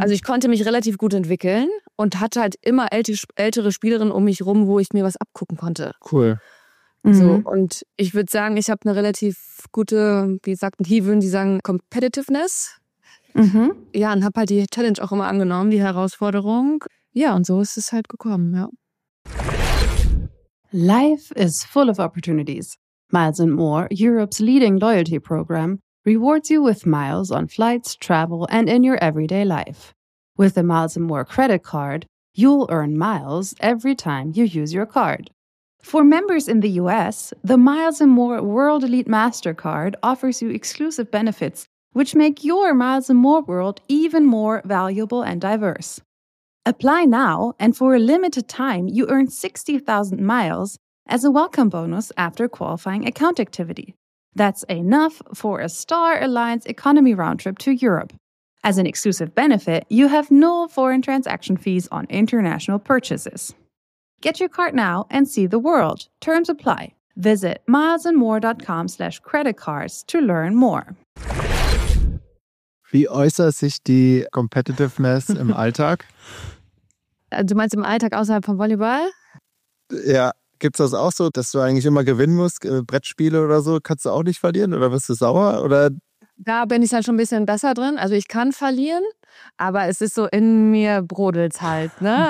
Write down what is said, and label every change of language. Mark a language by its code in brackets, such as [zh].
[de] Also ich konnte mich relativ gut entwickeln und hatte halt immer ältere Spielerinnen um mich rum, wo ich mir was abgucken konnte. Cool. So, und ich würde sagen, ich habe eine relativ gute, wie sagt man, hier würden die sagen, Competitiveness. Mhm. Ja, und habe halt die Challenge auch immer angenommen, die Herausforderung. Ja, und so ist es halt gekommen, ja. [en] Life is full of opportunities. Miles & More, Europe's leading loyalty program, rewards you with miles on flights, travel, and in your everyday life. With the Miles & More credit card, you'll earn miles every time you use your card. For members in the U.S., the Miles & More World Elite MasterCard offers you exclusive benefits which make your Miles & More world even more valuable and diverse. Apply now, and for a limited time, you earn 60,000 miles as a welcome bonus after qualifying account activity. That's enough for a Star Alliance economy round trip to Europe. As an exclusive benefit, you have no foreign transaction fees on international purchases. Get your card now and see the world. Terms apply. Visit milesandmore.com/creditcards to learn more. [de] Wie äußert sich die Competitiveness im Alltag? Du meinst im Alltag außerhalb von Volleyball? Ja, gibt's das auch so, dass du eigentlich immer gewinnen musst, Brettspiele oder so, kannst du auch nicht verlieren oder bist du sauer? Oder? Da bin ich dann schon ein bisschen besser drin. Also ich kann verlieren, aber es ist so, in mir brodelt's halt. Ne?